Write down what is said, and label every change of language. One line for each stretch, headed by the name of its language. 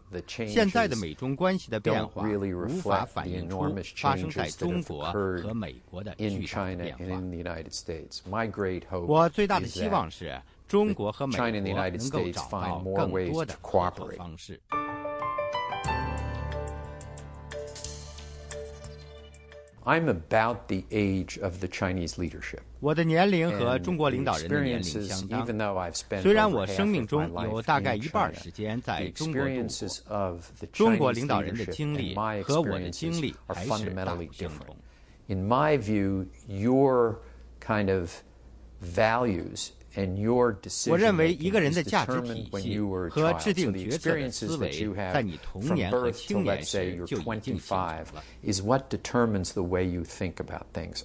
Chinese: 现在的美中关系的变化无法反映出发生在中国和美国的巨大的变化。我最大的希望是中国和美国能够找到更多的合作方式。
English: I'm about the age of the Chinese leadership.
Chinese: 我的年龄和中国领导人的年龄相当。
English: Even though I've spent
Chinese: 虽然我生命中有大概一半时间在中国度过，中国领导人的经历和我的经历还是大不相同。
English: In my view, your kind of values and your decision-making
Chinese: 我认为一个人的价值体系和制定决策的思维在你童年和青年时就已经形成了
English: is what determines the way you think about things.